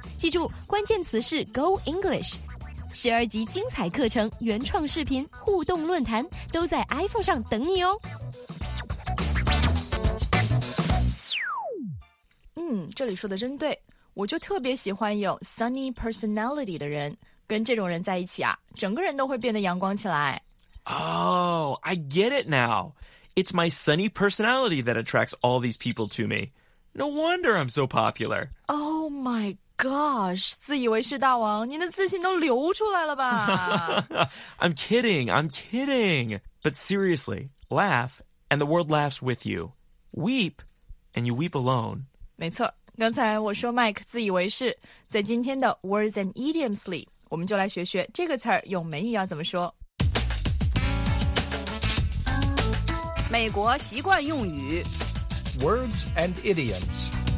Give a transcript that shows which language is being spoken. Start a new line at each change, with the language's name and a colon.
Chinese: 记住，关键词是 Go English。十二级精彩课程、原创视频、互动论坛都在 iPhone 上等你哦。这里说的真对，我就特别喜欢有 sunny personality 的人。跟这种人在一起啊，整个人都会变得阳光起来。
English: Oh, I get it now. It's my sunny personality that attracts all these people to me. No wonder I'm so popular.
Chinese: Oh my gosh, 自以为是大王，您的自信都流出来了吧。
English: I'm kidding. But seriously, laugh, and the world laughs with you. Weep, and you weep alone.
Chinese: 没错，刚才我说 Mike 自以为是，在今天的 Words and Idioms 里我们就来学学这个词儿用美语要怎么说。美国习惯用语
English: Words and Idioms。